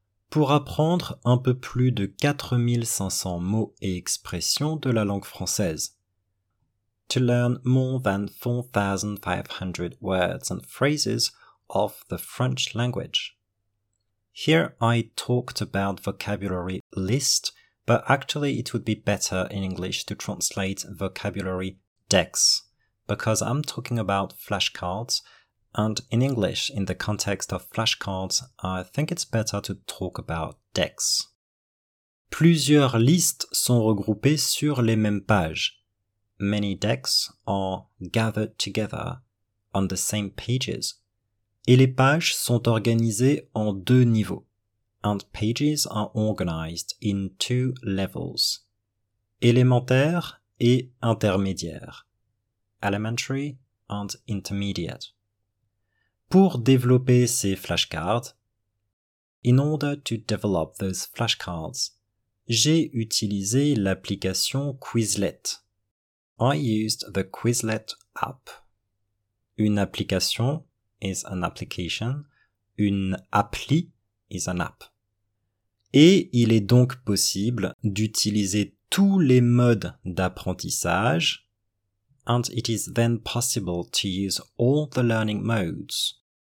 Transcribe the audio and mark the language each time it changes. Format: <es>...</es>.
<fr>pour apprendre un peu plus de 4500 mots et expressions de la langue française,</fr> <en>to learn more than 4,500 words and phrases of the French language. Here I talked about vocabulary list, but actually it would be better in English to translate vocabulary decks, because I'm talking about flashcards, and in English, in the context of flashcards, I think it's better to talk about decks.</en> <fr>Plusieurs listes sont regroupées sur les mêmes pages.</fr> <en>many decks are gathered together on the same pages.</en> <fr>Et les pages sont organisées en deux niveaux.</fr> <en>And pages are organized in two levels.</en> <fr>Élémentaire et intermédiaire.</fr> <en>Elementary and intermediate.</en> <fr>Pour développer ces flashcards,</fr> <en>in order to develop those flashcards,</en> <fr>j'ai utilisé l'application Quizlet.</fr> <en>I used the Quizlet app. Une application is an application. Une appli is an app.</en> <fr>Et il est donc possible d'utiliser tous les modes d'apprentissage.</fr> <en>And it is then possible to use all the learning modes</en>